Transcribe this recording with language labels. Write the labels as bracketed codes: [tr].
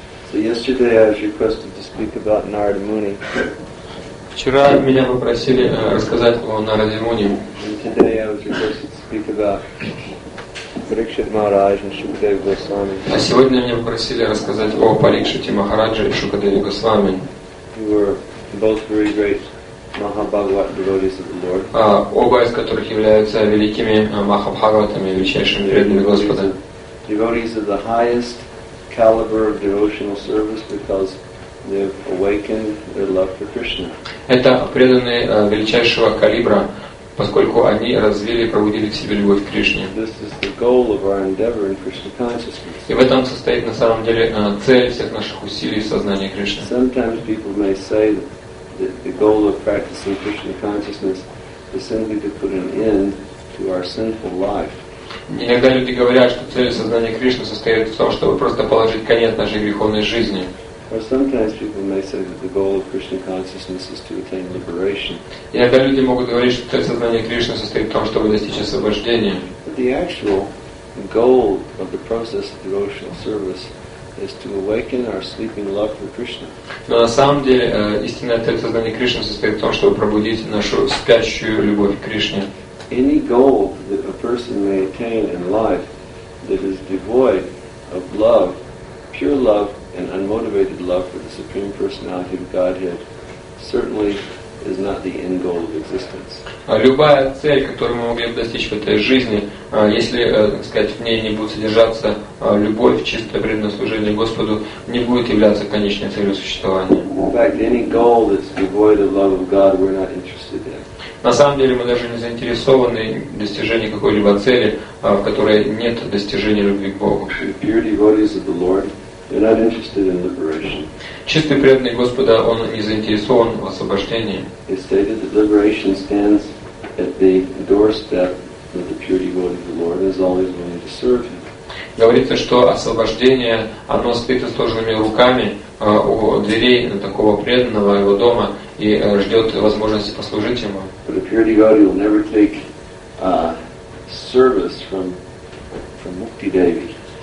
[en] So yesterday I was requested to speak about Narada Muni. [ru] Вчера меня попросили рассказать о Нараде Муни. [en] And today I was requested to speak about Parikshit Maharaj and Shukadeva Goswami. [ru] А сегодня меня попросили рассказать о Парикшите Махарадже и Шукадеве Госвами. [en] Who were both very great Mahabhagavat devotees of the Lord. [ru] Оба из которых являются великими Махабхагаватами, величайшими преданными Господа. [en] Devotees of the highest caliber of devotional service because they've awakened their love for Krishna. [ru] Это преданные величайшего калибра, поскольку они развили и пробудили в себе любовь к Кришне. [en] This is the goal of our endeavor in Krishna consciousness. [ru] И в этом состоит на самом деле цель всех наших усилий в сознании Кришны. [en] Sometimes people may say that the goal of practicing Krishna consciousness is simply to put an end to our sinful life. [ru] Иногда люди говорят, что цель сознания Кришны состоит в том, чтобы просто положить конец нашей греховной жизни. [en] Or sometimes people may say that the goal of Krishna consciousness is to attain liberation. [ru] Иногда люди могут говорить, что цель сознания Кришны состоит в том, чтобы достичь освобождения. [en] But the actual goal of the process of devotional service is to awaken our sleeping love for Krishna. [ru] Но на самом деле истинная цель сознания Кришны состоит в том, чтобы пробудить нашу спящую любовь к Кришне. [en] Any goal that a person may attain in life that is devoid of love, pure love, and unmotivated love for the Supreme Personality of Godhead certainly is not the end goal of existence. [ru] Любая цель, которую мы могли бы достичь в этой жизни, если, так сказать, в ней не будет содержаться любовь, чистое преданное служение Господу, не будет являться конечной целью существования. [en] In fact, any goal that's devoid of love of God, we're not interested in. [ru] На самом деле мы даже не заинтересованы в достижении какой-либо цели, в которой нет достижения любви к Богу. [en] Pure devotees of the Lord, they're not interested in liberation. [ru] Чистый преданный Господа, он не заинтересован в освобождении. [en] It's stated that liberation stands at the doorstep of the pure devotee of the Lord is always willing to serve him. [ru] Говорится, что освобождение, оно стоит со сложенными руками у дверей такого преданного его дома и ждет возможности послужить ему. [en] But a pure devotee will never take service from Mukti Devi.